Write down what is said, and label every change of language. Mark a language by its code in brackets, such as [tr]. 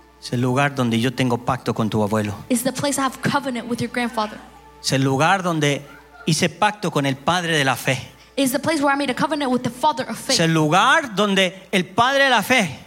[es] Es el lugar donde yo tengo pacto con tu abuelo. [en] It's the place I have covenant with your grandfather. [es] Es el lugar donde hice pacto con el padre de la fe. [en] It's the place where I made a covenant with the father of faith. [es] Es el lugar donde el padre de la fe.